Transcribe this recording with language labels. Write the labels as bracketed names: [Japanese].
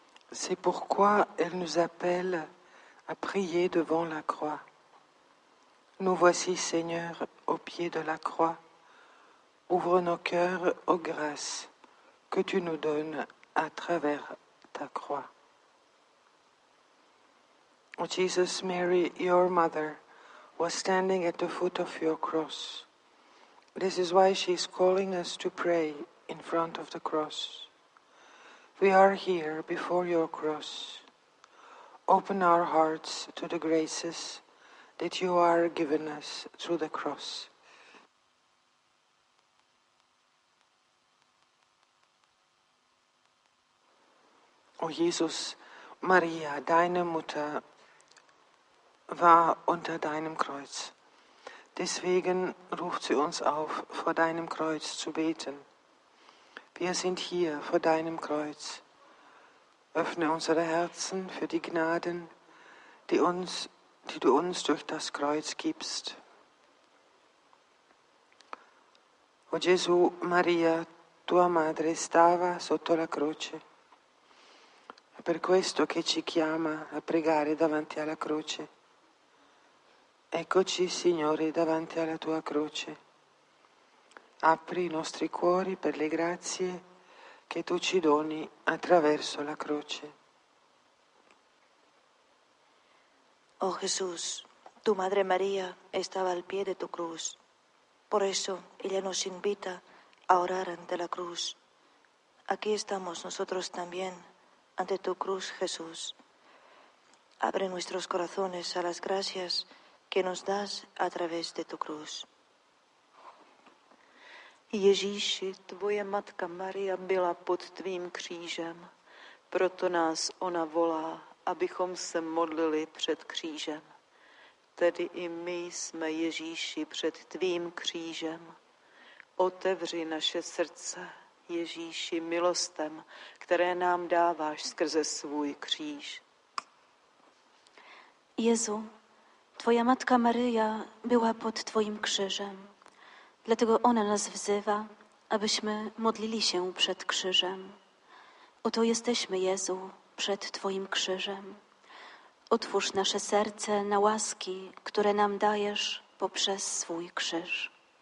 [French] C'est pourquoi elle nous appelle à prier devant la croix. Nous voici, Seigneur, au pied de la croix. Ouvre nos cœurs aux grâces que tu nous donnes à travers ta croix. [English] O Jesus, Mary, your mother, was standing at the foot of your cross. This is why she is calling us to pray in front of the cross. We are here before your cross. Open our hearts to the graces that you are given us through the cross. [German] O Jesus, Maria, deine Mutter war unter deinem Kreuz. Deswegen ruft sie uns auf, vor deinem Kreuz zu beten. Wir sind hier vor deinem Kreuz. Öffne unsere Herzen für die Gnaden, die du uns durch das Kreuz gibst. [Italian] O Gesù, Maria, tua madre stava sotto la croce. È per questo che ci chiama a pregare davanti alla croce. Eccoci, Signore, davanti alla tua croce. Apri i nostri cuori per le grazie che tu ci doni attraverso la croce. [Spanish] Oh Jesús, tu madre María estaba al pie de tu cruz. Por eso ella nos invita a orar ante la cruz. Aquí estamos nosotros también, ante tu cruz, Jesús. Abre nuestros corazones a las gracias que nos das a través de tu cruz. [Czech] Ježíši, tvoje matka Maria byla pod tvým křížem, proto nás ona volá, abychom se modlili před křížem. Tedy i my jsme Ježíši před tvým křížem. Otevři naše srdce, Ježíši, milostem, které nám dáváš skrze svůj kříž. [Polish] Jezu, tvoja matka Maria byla pod tvojim krzyżem, dlatego ona nas wzywa, abyśmy modlili się przed krzyżem. Oto jesteśmy, Jezu, przed Twoim krzyżem. Otwórz nasze serce na łaski, które nam dajesz poprzez swój krzyż.